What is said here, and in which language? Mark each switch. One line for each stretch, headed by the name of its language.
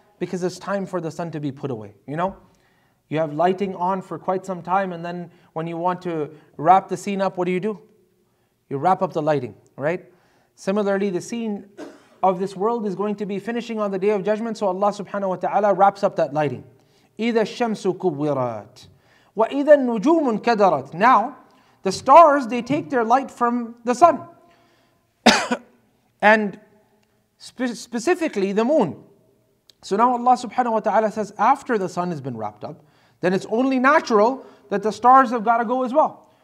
English: Because it's time for the sun to be put away. You know? You have lighting on for quite some time, and then when you want to wrap the scene up, what do? You wrap up the lighting, right? Similarly, the scene of this world is going to be finishing on the Day of Judgment, so Allah subhanahu wa ta'ala wraps up that lighting.
Arabic: إِذَا الشَّمْسُ كُوِّرَتْ وَإِذَا النُّجُومُ كَدَرَتْ.
English: Now, the stars, they take their light from the sun. And specifically, the moon. So now Allah subhanahu wa ta'ala says, after the sun has been wrapped up, then it's only natural that the stars have got to go as well.